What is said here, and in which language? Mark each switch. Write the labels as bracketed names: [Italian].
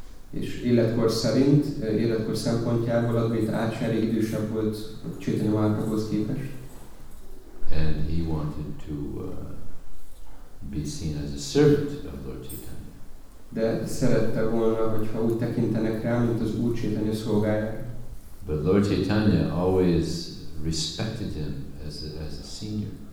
[Hungarian] És életkor szerint, életkor szempontjából Advaita Acharya idősebb volt Chaitanya Mahaprabhuhoz képest. [English] And he wanted to be seen as a servant of Lord Chaitanya. [Hungarian] De szerette volna, hogyha úgy tekintenek rá, mint az Úr Chaitanya szolgája. [English] But Lord Chaitanya always respected him as a senior.